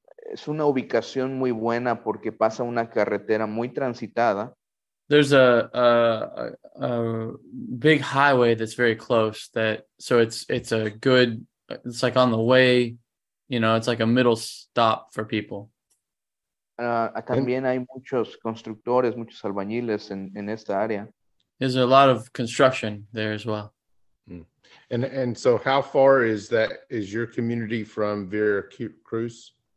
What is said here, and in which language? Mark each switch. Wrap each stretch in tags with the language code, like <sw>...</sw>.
<es>Es una ubicación muy buena porque pasa una carretera muy transitada.</es> <en>There's a big highway that's very close it's like on the way, you know, it's like a middle stop for people.</en> <es>También hay muchos constructores, muchos albañiles en esta área.</es> <en>There's a lot of construction there as well. And so how far is your community from Veracruz?</en>